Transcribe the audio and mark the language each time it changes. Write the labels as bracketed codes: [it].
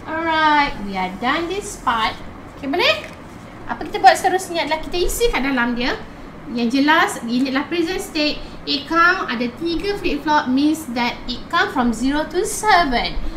[en] Alright, we are done this part. [ms] Okay, boleh? Apa kita buat seterusnya adalah kita isi kat dalam dia. Yang jelas, ini adalah present state. [en] It count [ms] ada [en] 3 flip-flop means that it count from 0 to 7.